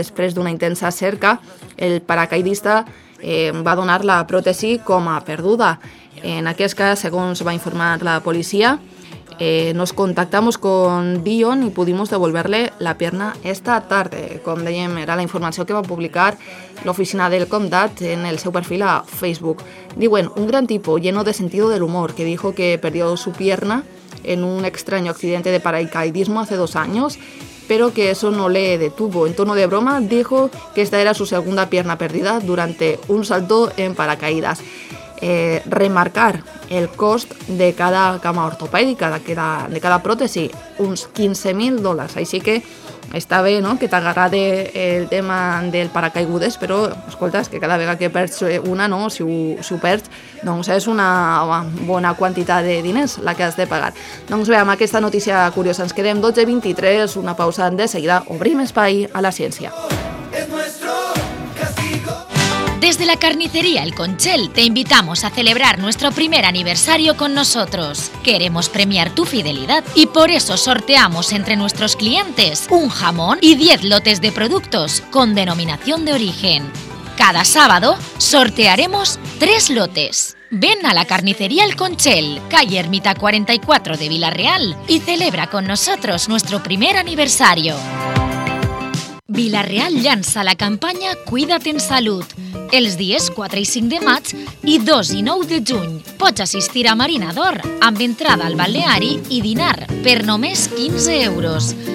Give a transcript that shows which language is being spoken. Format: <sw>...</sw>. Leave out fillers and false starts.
<ca>Després d'una intensa cerca, el paracaidista va donar la pròtesi com a perduda. En aquest cas, segons va informar la policia,</ca> <es>nos contactamos con Dion y pudimos devolverle la pierna esta tarde.</es> <ca>Com dèiem, era la informació que va publicar l'oficina del Comtat en el seu perfil a Facebook. Diuen,</ca> <es>un gran tipo lleno de sentido del humor que dijo que perdió su pierna en un extraño accidente de paracaidismo hace 2 años, pero que eso no le detuvo. En tono de broma, dijo que esta era su segunda pierna perdida durante un salto en paracaídas.</es> <ca>Remarcar el cost de cada cama ortopèdica, de cada pròtesi, uns $15,000. Així que està bé, no?, que t'agrada el tema del paracaigudes, però escolta, és que cada vegada que perds una, no?, si ho perds, doncs és una bona quantitat de diners la que has de pagar. Doncs bé, amb aquesta notícia curiosa ens quedem. 12:23, una pausa, de seguida obrim espai a la ciència.</ca> <es>Desde la carnicería El Conchel te invitamos a celebrar nuestro primer aniversario con nosotros. Queremos premiar tu fidelidad y por eso sorteamos entre nuestros clientes un jamón y 10 lotes de productos con denominación de origen. Cada sábado sortearemos 3 lotes. Ven a la carnicería El Conchel, calle Ermita 44 de Villarreal y celebra con nosotros nuestro primer aniversario.</es> <ca>Villarreal llança la campanya Cuida't en Salut. Els dies 4 i 5 de maig i 2 i 9 de juny pots assistir a Marina d'Or amb entrada al Balneari i dinar per només 15 euros.</ca>